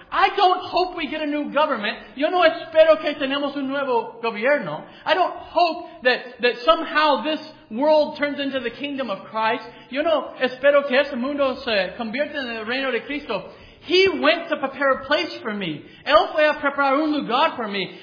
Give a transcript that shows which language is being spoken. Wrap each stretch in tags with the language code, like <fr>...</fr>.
<en>I don't hope we get a new government.</en> <es>Yo no espero que tenemos un nuevo gobierno.</es> <en>I don't hope that somehow this world turns into the kingdom of Christ.</en> <es>Yo no espero que este mundo se convierta en el reino de Cristo.</es> <en>He went to prepare a place for me.</en> <es>Él fue a preparar un lugar</es> <en>for me.</en>